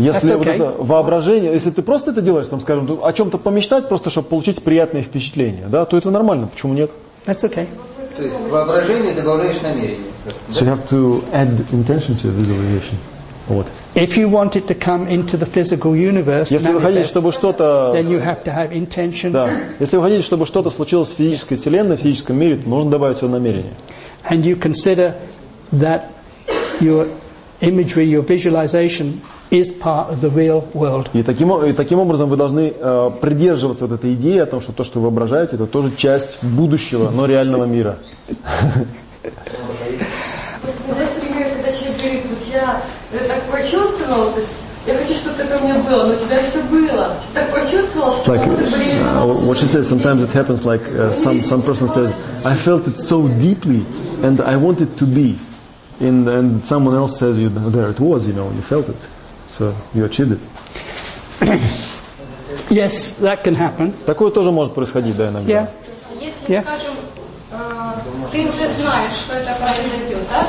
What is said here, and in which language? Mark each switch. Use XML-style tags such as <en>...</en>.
<ru>если</ru> <en>okay.</en> <ru>Вот это воображение, если ты просто это делаешь, там, скажем, о чем-то помечтать, просто чтобы получить приятное впечатление, да, то это нормально, почему нет?</ru> <en>That's okay.</en> <ru>То есть воображение добавляешь намерение.</ru> <en>So you have to add intention to visualization. What? If you want it to come into the physical universe,</en> <ru>если вы хотите, чтобы что-то,</ru> <en>then you have to have intention.</en> <ru>Да. Если вы хотите, чтобы что-то случилось в физической вселенной, в физическом мире, то нужно добавить его намерение.</ru> <en>And you consider that your imagery, your visualization is part of the real world.</en> <ru>И таким образом вы должны придерживаться вот этой идеи о том, что то, что вы воображаете, это тоже часть будущего, но реального мира. Знаешь, пример, когда человек говорит, вот я так почувствовала, то есть</ru> <en>Like, what she says, sometimes it happens like some person says, I felt it so deeply and I want it to be. And someone else says, you know, there it was, you know, you felt it. So you achieved it. Yes, that can happen.</en> <ru>Такое тоже может происходить, да, иногда.</ru> <en>Yeah.</en> <ru>Если, скажем, ты уже знаешь, что это произойдет.</ru>